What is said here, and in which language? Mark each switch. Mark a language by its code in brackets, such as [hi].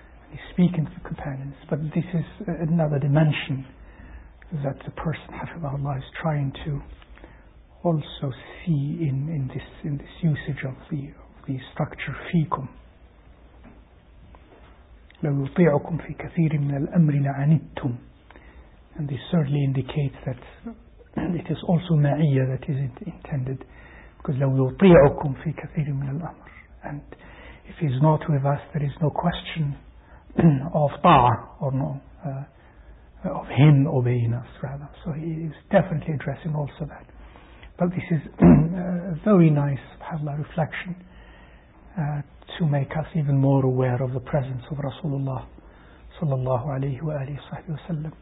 [en] He's speaking to the companions, but this is another dimension that the person, hafizahullah, is trying to also see in this usage of the structure fikum. [ar] لَوْ يُطِيعُكُمْ فِي كَثِيرٍ مِنَ الْأَمْرِ لَعَنِدْتُمْ. [en] And this certainly indicates that it is also ma'iyah that is intended. Because [ar] لَوْ يُطِيعُكُمْ فِي كَثِيرٍ مِنَ الْأَمْرِ. [en] And if he is not with us, there is no question of ta'ah, or no, of him obeying us, rather. So he is definitely addressing also that. But this is a very nice, subhanAllah, reflection to make us even more aware of the presence of Rasulullah sallallahu alayhi wa alihi wa sallam.